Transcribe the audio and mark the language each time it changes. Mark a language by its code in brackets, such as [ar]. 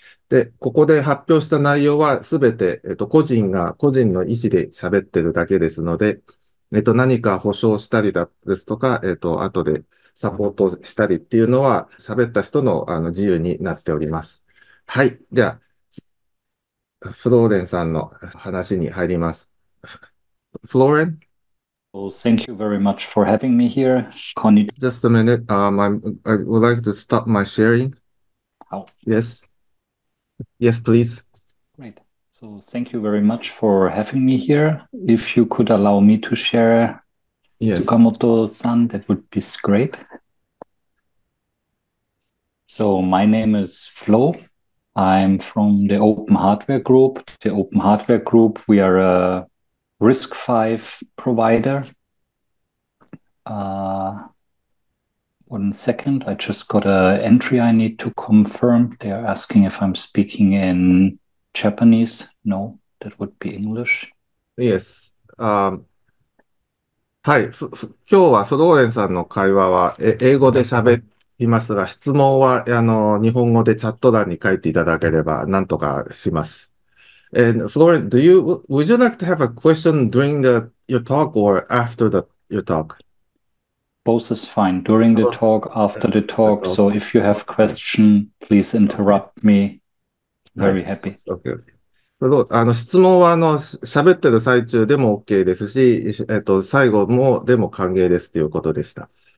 [ja] で、ここで発表した内容は全て、個人の意思で喋ってるだけですので、何か保証したりだですとか、後で、サポートしたりっていうのは喋った人の、自由になっております。はい。では、フローレンさんの話に入ります。フローレン？ [en] Oh, thank you very much for having me here. Konnichiwa. Just a minute. I would like to stop my sharing. Yes. Yes, please. Great. So, thank you very much for having me here. If you could allow me to share Yes. Tsukamoto-san, that would be great. So, my name is Flo. I'm from the Open Hardware Group. The Open Hardware Group, we are a RISC-V provider. One second, I just got an entry I need to confirm. They are asking if I'm speaking in Japanese. No, that would be English. Yes. [ja] はい。今日はフローレンさんの会話は英語で喋りますが、質問は日本語でチャット欄に書いていただければ何とかします。 [en] And Florent, would you like to have a question during your talk or after your talk? Both is fine during the talk, after the talk. So if you have question, please interrupt me. Very happy. [ja] 質問は喋ってる最中でも OK ですし、最後もでも歓迎ですということでした。